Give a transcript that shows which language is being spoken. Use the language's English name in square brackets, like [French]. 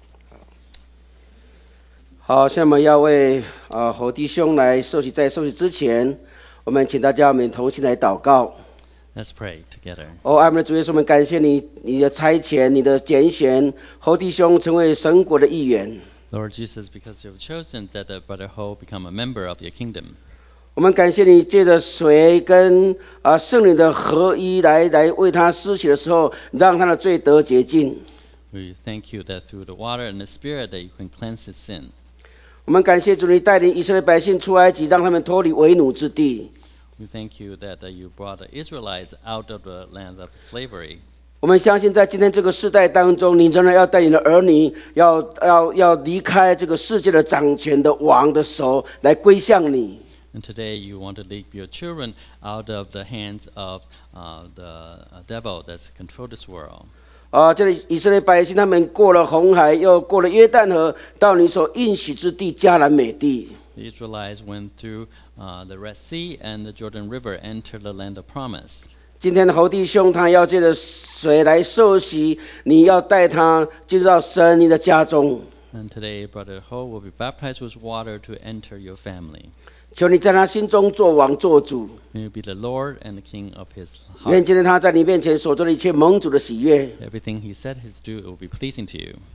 [Chinese] 好，好，下面要为侯弟兄来受洗，在受洗之前，我们请大家我们同心来祷告。 [English] Let's pray together. [Chinese] Oh, 爱我们的主耶稣，我们感谢你，你的差遣，你的拣选，侯弟兄成为神国的一员。 [English] Lord Jesus, because you have chosen that the brother Ho become a member of your kingdom. [Chinese] 我们感谢你借着水跟圣灵的合一来为他施洗的时候，让他的罪得洁净。 [English] We thank you that through the water and the Spirit that you can cleanse his sin. [Chinese] 我们感谢主，你带领以色列百姓出埃及，让他们脱离为奴之地。 [English] We thank you that you brought the Israelites out of the land of slavery. [Chinese] 我们相信在今天这个世代当中，你仍然要带领的儿女要离开这个世界的掌权的王的手，来归向你。 [English] And today you want to lead your children out of the hands of the devil that's controlled this world. [Chinese] 这里以色列百姓他们过了红海，又过了约旦河，到你所应许之地迦南美地。 [English] The Israelites went through the Red Sea and the Jordan River, entered the land of promise. [Chinese] 今天的侯弟兄他要借着水来受洗，你要带他进入到神你的家中。 [English] And today, Brother Ho will be baptized with water to enter your family. [Chinese] 求你在他心中做王做主。 [English] May you be the Lord and the King of his heart. [Chinese] 愿今天他在你面前所做的一切蒙主的喜悦。 [English] Everything he said he's do will be pleasing to you.